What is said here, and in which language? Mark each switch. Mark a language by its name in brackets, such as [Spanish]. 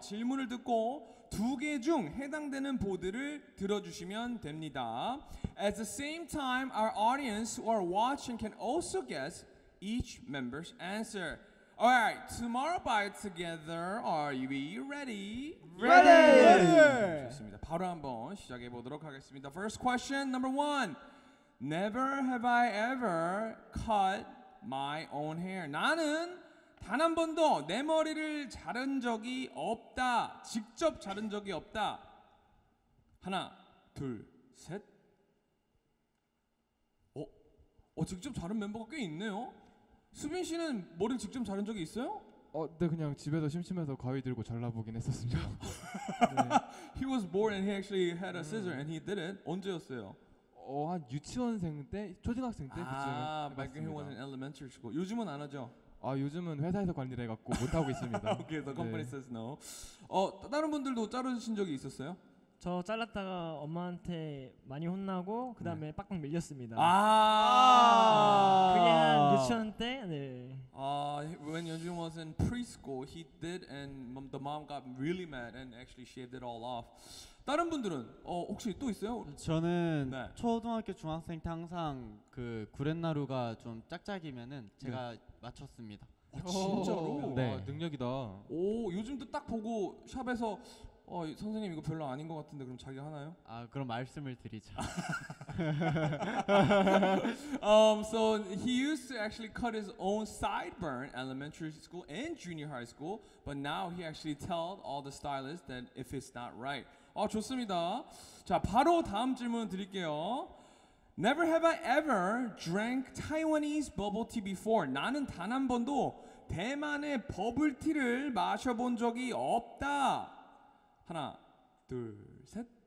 [Korean] 질문을 듣고 두 개 중 해당되는 보드를 들어주시면 됩니다. [English] At the same time, our audience who are watching can also guess each member's answer. All right, tomorrow by together, are we ready? Ready! [Korean] 좋습니다. 바로 한번 시작해 보도록 하겠습니다. [English] First question, number one. Never have I ever cut my own hair. [Korean] 나는 단 한 번도 내 머리를 자른 적이 없다. 직접 자른 적이 없다. 하나, 둘, 셋. 직접 자른 멤버가 꽤 있네요. 수빈 씨는 머리를 직접 자른 적이 있어요? 네, 그냥 집에서 심심해서 가위 들고 잘라보긴 했었습니다. 네. [English] He was born and he actually had a scissor and he did it. [Korean] 언제였어요? 한 유치원생 때, 초등학생 때 그쵸? [English] He was in elementary school. [Korean] 요즘은 안 하죠? 요즘은 회사에서 관리를 해갖고 못하고 있습니다. [English] Okay, the company 네. says no. [Korean] 다른 분들도 자르신 적이 있었어요? 저 잘랐다가 엄마한테 많이 혼나고 그 다음에 네. 빡빡 밀렸습니다. 그게 한 유치원 때? 네. [English] When Yeonjun was in preschool, he did and the mom got really mad and actually shaved it all off. [Korean] 다른 분들은 혹시 또 있어요? 저는 네. 초등학교 중학생 때 항상 그 구렛나루가 좀 짝짝이면은 제가 네. 맞췄습니다. 진짜로? 네. 능력이다. 요즘도 딱 보고 샵에서 어, 선생님 이거 별로 아닌 것 같은데 그럼 자기 하나요? 아, 그럼 말씀을 드리자. [English] So he used to actually cut his own sideburn elementary school and junior high school, but now he actually told all the stylists that if it's not right. [Korean] 어, 좋습니다. 자, 바로 다음 질문 드릴게요. [English] Never have I ever drank Taiwanese bubble tea before. [Korean] 나는 단 한 번도 대만의 버블티를 마셔본 적이 없다. 하나, 둘, 셋.